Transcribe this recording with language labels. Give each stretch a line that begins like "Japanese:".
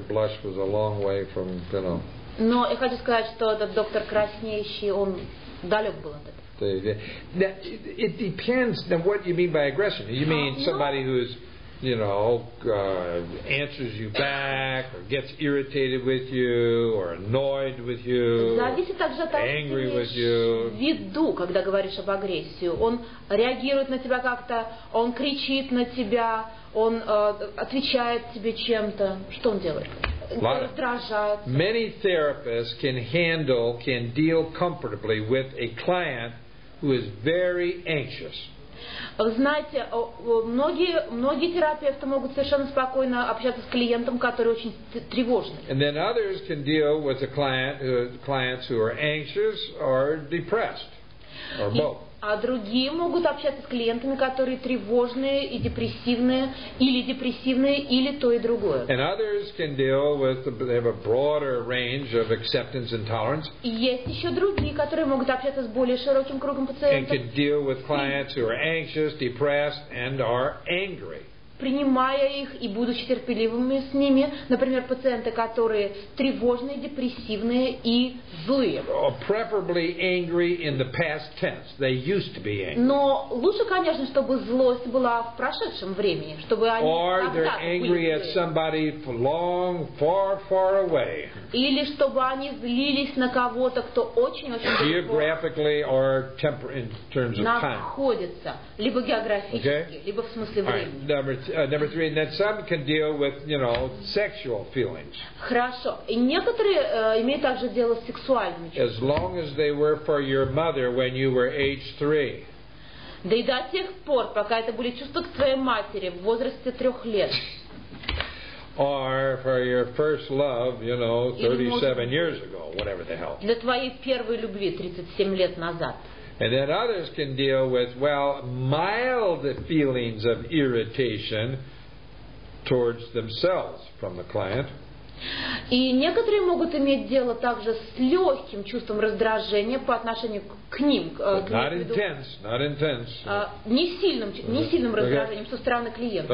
English: Blush was a long way from, you know.
Russian: Но я хочу сказать, что этот доктор краснеющий, он далек был от этого.
English: It depends on what you mean by aggression. You mean somebody who is, you know, answers you back or gets irritated with you or annoyed with you,
Russian: зависит также от того,
English: angry with you.
Russian: Виду, когда говоришь об агрессии, он реагирует на тебя как-то, он кричит на тебя, он отвечает тебе чем-то. Что он делает? Раздражает.
English: Many therapists can deal comfortably with a client who is very anxious.
Russian: Вы знаете, многие терапевты могут совершенно спокойно общаться с клиентом, который очень тревожный.
English: And then others can deal with the clients who are anxious or depressed, or both.
Russian: А другие могут общаться с клиентами, которые тревожные и депрессивные, или то и другое.
English: And others can deal with they have a broader range of acceptance and tolerance.
Russian: И есть еще другие, которые могут общаться с более широким кругом пациентов.
English: And can deal with clients who are anxious, depressed, and are angry.
Russian: Принимая их и будучи терпеливыми с ними, например, пациенты, которые тревожные, депрессивные и злые.
English: Preferably angry in the past tense. They used to be angry.
Russian: Но лучше, конечно, чтобы злость была в прошедшем времени, чтобы они
English: Or they're angry
Russian: были.
English: At somebody long, far, far away.
Russian: Или чтобы они злились на кого-то, кто очень-очень далеко.
English: Geographically or in terms of time.
Russian: Находится либо географически,
English: okay?
Russian: Либо в смысле времени.
English: Number three, and then some can deal with, you know, sexual feelings.
Russian: Хорошо. И некоторые имеют также дело с сексуальными чувствами.
English: As long as they were for your mother when you were age 3.
Russian: Да и до тех пор, пока это были чувства к твоей матери в возрасте 3 лет.
English: Or for your first love, you know, 37 years ago, whatever the hell.
Russian: Для твоей первой любви 37 лет назад.
English: And then others can deal with, well, mild feelings of irritation towards themselves from the client.
Russian: И некоторые могут иметь дело также с легким чувством раздражения по отношению к ним.
English: Not intense, not intense.
Russian: Не сильным раздражением со стороны клиента.